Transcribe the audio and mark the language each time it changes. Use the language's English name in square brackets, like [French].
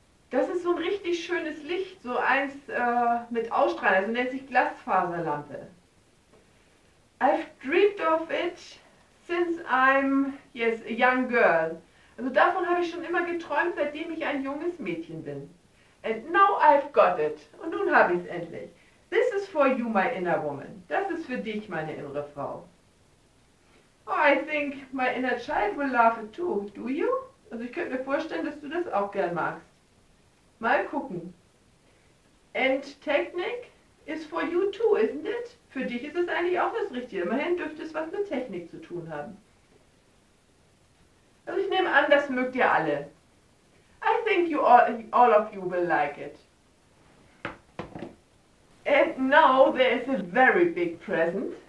[German] Das ist so ein richtig schönes Licht, so eins mit Ausstrahlung, also nennt sich Glasfaserlampe. [English] I've dreamed of it since I'm, yes, a young girl. [German] Also davon habe ich schon immer geträumt, seitdem ich ein junges Mädchen bin. [English] And now I've got it. [German] Und nun habe ich es endlich. [English] This is for you, my inner woman. [German] Das ist für dich, meine innere Frau. [English] Oh, I think my inner child will love it too. Do you? [German] Also ich könnte mir vorstellen, dass du das auch gern magst. Mal gucken. [English] And Technik is for you too, isn't it? [German] Für dich ist es eigentlich auch das Richtige. Immerhin dürfte es was mit Technik zu tun haben. Also ich nehme an, das mögt ihr alle. [English] I think you all of you will like it. And now there is a very big present.